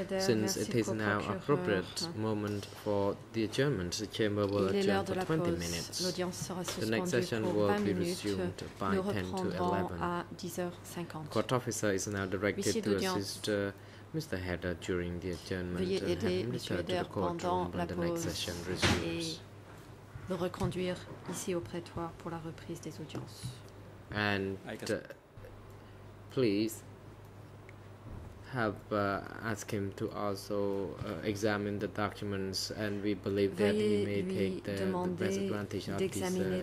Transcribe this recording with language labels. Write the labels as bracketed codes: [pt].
[en] Since it is now appropriate moment for the adjournment, the chamber will adjourn for 20 minutes. The next session will be resumed by 10 to 11. Court officer is now directed to assist Mr. Hedder during the adjournment and have him return to the courtroom when the next session resumes. [fr] Le reconduire ici auprès de toi pour la reprise des audiences. [en] And please have ask him to also examine the documents, and we believe that he may take the best advantage of this adjournment.